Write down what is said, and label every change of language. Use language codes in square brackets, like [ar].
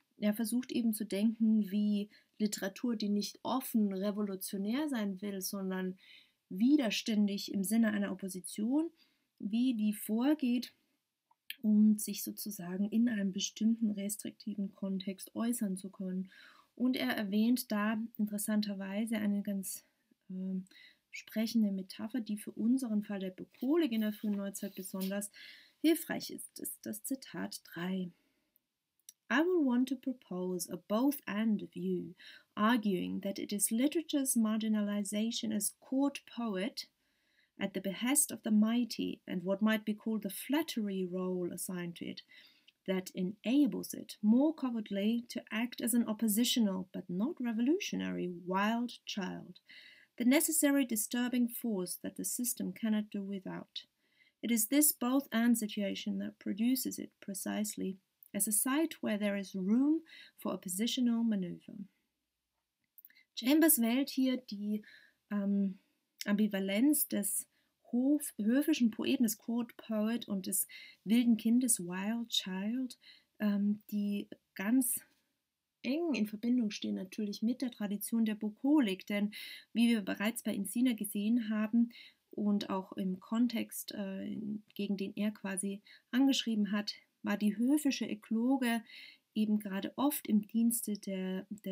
[de] Er versucht eben zu denken, wie Literatur, die nicht offen revolutionär sein will, sondern widerständig im Sinne einer Opposition, wie die vorgeht, um sich sozusagen in einem bestimmten restriktiven Kontext äußern zu können. Und er erwähnt da interessanterweise eine ganz sprechende Metapher, die für unseren Fall der Bukolik in der frühen Neuzeit besonders hilfreich ist. Das ist das Zitat 3. [en] I will want to propose a both-and view, arguing that it is literature's marginalization as court poet at the behest of the mighty and what might be called the flattery role assigned to it that enables it more covertly to act as an oppositional but not revolutionary wild child, the necessary disturbing force that the system cannot do without. It is this both-and situation that produces it precisely as a site where there is room for a positional maneuver. [de] Chambers wählt hier die Ambivalenz des höfischen Poeten, des Court Poet und des wilden Kindes, Wild Child, die ganz eng in Verbindung stehen natürlich mit der Tradition der Bukolik, denn wie wir bereits bei Encina gesehen haben und auch im Kontext, gegen den er quasi angeschrieben hat, war die höfische Ekloge eben gerade oft im Dienste der